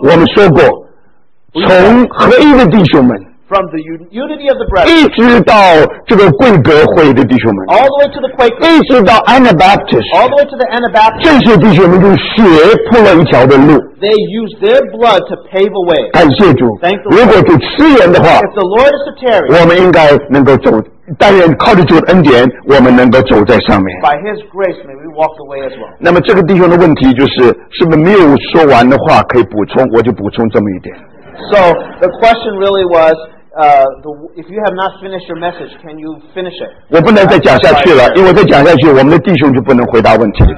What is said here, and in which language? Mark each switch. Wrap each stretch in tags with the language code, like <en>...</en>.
<zh>我们说过， 从合一的弟兄们，</zh> <en>from the unity of the brethren,</en> <zh>一直到这个贵格会的弟兄们，</zh> <en>all the way to the Quakers,</en> <zh>一直到 Anabaptist,</zh> <en>all the way to the Anabaptist,</en> <zh>这些弟兄们用血铺了一条的路，</zh> <en>they use their blood to pave a way.</en> <zh>感谢主。</zh> <en>Thank the Lord.</en> <zh>如果主赐言的话，</zh> <en>if the Lord is to tarry,</en> <zh>我们应该能够走， 但愿靠着主的恩典， 我们能够走在上面。</zh> <en>By his grace may we walk away as well.</en> <zh>那么这个弟兄的问题就是， 是不是没有说完的话可以补充， 我就补充这么一点。</zh> <en>So the question really was, if you have not finished your message, can you finish it?</en> <zh>我不能再讲下去了，因为再讲下去，我们的弟兄就不能回答问题了。</zh>